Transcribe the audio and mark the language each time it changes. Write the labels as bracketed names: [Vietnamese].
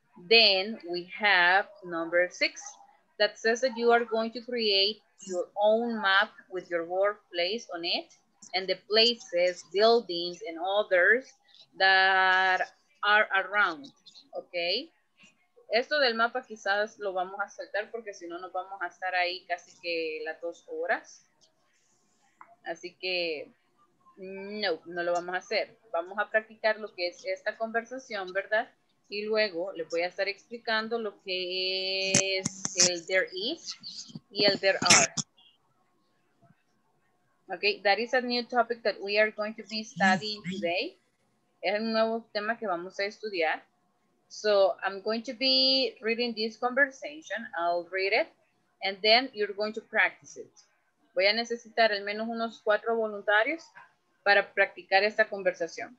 [English] Then we have number 6 that says that you are going to create your own map with your workplace on it and the places, buildings, and others that are around, okay? [Spanish] Esto del mapa quizás lo vamos a saltar porque si no nos vamos a estar ahí casi que las 2 horas. Así que, no, no lo vamos a hacer. Vamos a practicar lo que es esta conversación, ¿verdad? Y luego les voy a estar explicando lo que es el there is y el there are. [English] Okay, that is a new topic that we are going to be studying today. [Spanish] Es un nuevo tema que vamos a estudiar. [English] So I'm going to be reading this conversation. I'll read it and then you're going to practice it. [Spanish] Voy a necesitar al menos unos 4 voluntarios para practicar esta conversación.